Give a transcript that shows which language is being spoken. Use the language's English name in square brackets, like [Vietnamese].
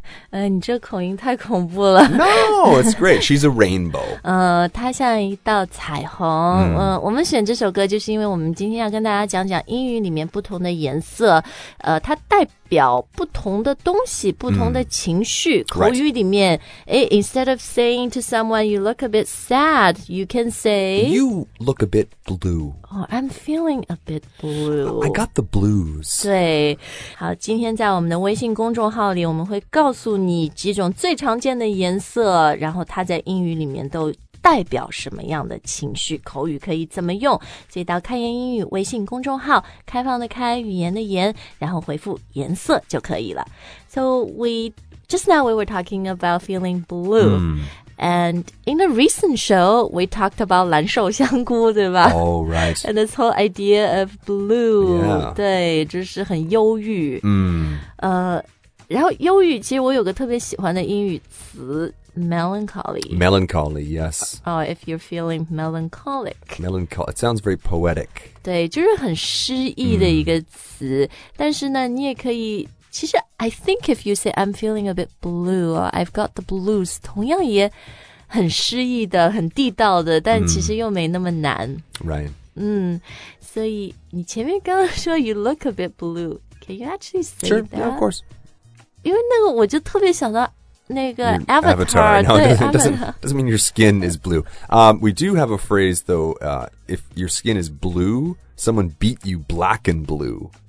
[Chinese] 你这口音太恐怖了。 [English] No, it's great. She's a rainbow. [Chinese] 她像一道彩虹。Mm. 我们选这首歌就是因为我们今天要跟大家讲讲英语里面不同的颜色。它代表不同的东西，不同的情绪。 Mm. 口语里面、 [English] right. Instead of saying to someone, you look a bit sad, you can say, you look a bit blue. Oh, I'm feeling a bit blue. I got the blues. [Chinese] 对。好，今天在我们的微信公众号里我们会告诉你几种最常见的颜色，然后它在英语里面都代表什么样的情绪，口语可以怎么用。所以到开言英语微信公众号，开放的开，语言的言，然后回复颜色就可以了。 [English] So just now we were talking about feeling blue、mm. And in a recent show we talked about [Chinese] 蓝瘦香菇，对吧？ [English] Oh right. And this whole idea of blue、 yeah. [Chinese] 对，就是很忧郁。嗯、mm. 然后忧郁，其实我有个特别喜欢的英语词 melancholy. [English] Melancholy, yes. Oh, if you're feeling melancholic. Melancholy, it sounds very poetic. [Chinese] 对，就是很诗意的一个词、mm. 但是呢你也可以，其实 [English] I think if you say I'm feeling a bit blue or I've got the blues, [Chinese] 同样也很诗意的，很地道的，但其实又没那么难、 [English] mm. Right. [Chinese] 嗯，所以你前面刚刚说 [English] you look a bit blue, can you actually say sure, that? Sure, yeah, of course. [Chinese] 因为那个我就特别想到那个 [English] Avatar, no, [Chinese] 对 [English] Avatar. Doesn't mean your skin is blue.、We do have a phrase though,、if your skin is blue, someone beat you black and blue.